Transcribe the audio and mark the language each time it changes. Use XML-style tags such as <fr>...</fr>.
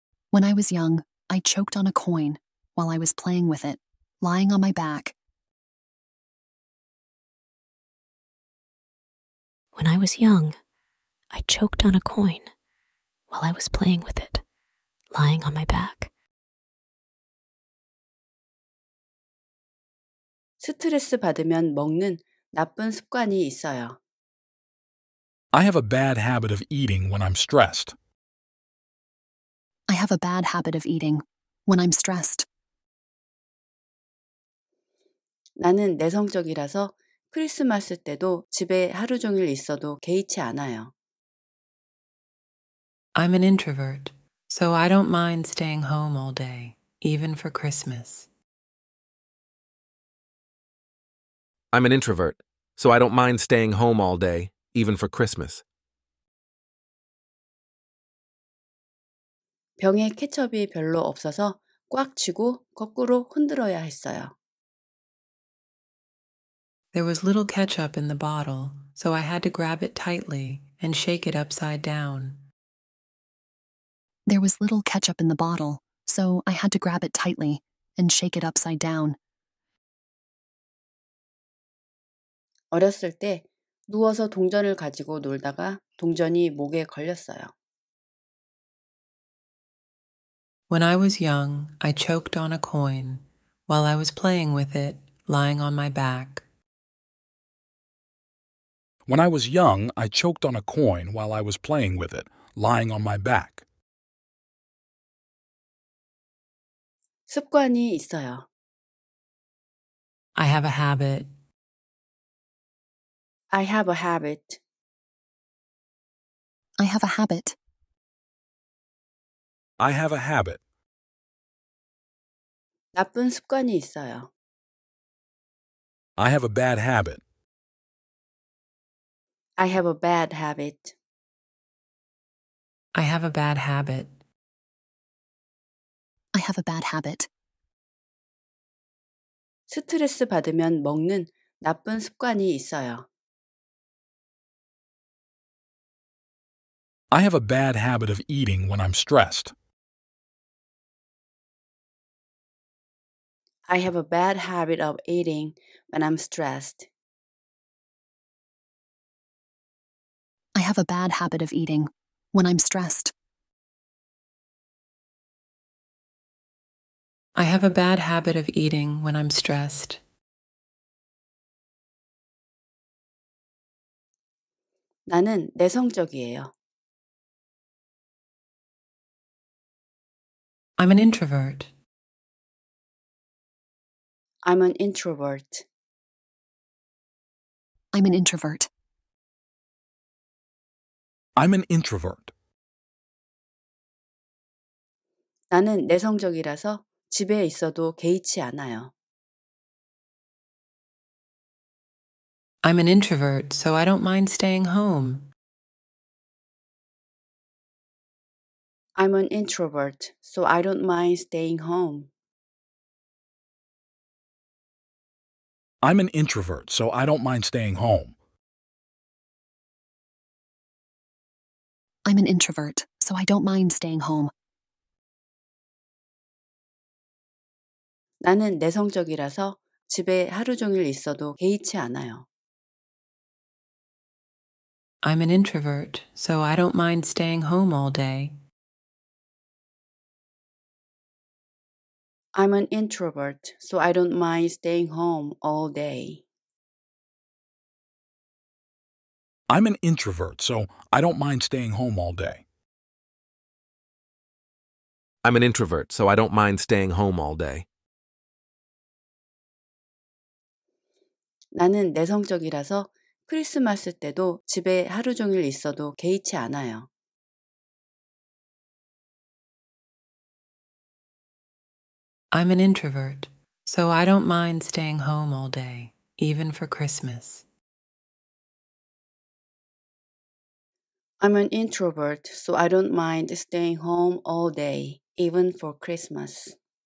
<en>When I was young, I choked on a coin while I was playing with it, lying on my back. When I was young, I choked on a coin while I was playing with it, lying on my back.</en> <ko>스트레스 받으면 먹는 나쁜 습관이 있어요.</ko> <en>I have a bad habit of eating when I'm stressed. I have a bad habit of eating when I'm stressed.</en> <ko>나는 내성적이라서 크리스마스 때도 집에 하루 종일 있어도 개의치 않아요.</ko> <en>I'm an introvert, so I don't mind staying home all day, even for Christmas. I'm an introvert, so I don't mind staying home all day, even for Christmas.</en> <ko>병에 케첩이 별로 없어서 꽉 쥐고 거꾸로 흔들어야 했어요.</ko> <en>There was little ketchup in the bottle, so I had to grab it tightly and shake it upside down. There was little ketchup in the bottle, so I had to grab it tightly and shake it upside down.</en> <ko>어렸을 때 누워서 동전을 가지고 놀다가 동전이 목에 걸렸어요.</ko> <en>When I was young, I choked on a coin while I was playing with it, lying on my back. When I was young, I choked on a coin while I was playing with it, lying on my back.</en> <ko>습관이 있어요.</ko> <en>I have a habit. I have a habit. I have a habit. I have a habit.</en> <ko>나쁜 습관이 있어요.</ko> <en>I have a bad habit. I have a bad habit. I have a bad habit. I have a bad habit.</en> <ko>스트레스 받으면 먹는 나쁜 습관이 있어요.</ko> <en>I have a bad habit of eating when I'm stressed. I have a bad habit of eating when I'm stressed. I have a bad habit of eating when I'm stressed. I have a bad habit of eating when I'm stressed.</en> <ko>나는 내성적이에요.</ko> <en>I'm an introvert. I'm an introvert. I'm an introvert. I'm an introvert.</en> <ko>나는 내성적이라서 집에 있어도 개의치 않아요.</ko> <en>I'm an introvert, so I don't mind staying home. I'm an introvert, so I don't mind staying home. I'm an introvert, so I don't mind staying home. I'm an introvert, so I don't mind staying home.</en> <ko>나는 내성적이라서 집에 하루 종일 있어도 개의치 않아요.</ko> <en>I'm an introvert, so I don't mind staying home all day. I'm an introvert, so I don't mind staying home all day. I'm an introvert, so I don't mind staying home all day. I'm an introvert, so I don't mind staying home all day.</en> <ko>나는 내성적이라서 크리스마스 때도 집에 하루 종일 있어도 개의치 않아요.</ko> <en>I'm an introvert, so I don't mind staying home all day, even for Christmas. I'm an introvert, so I don't mind staying home all day, even for Christmas.</en>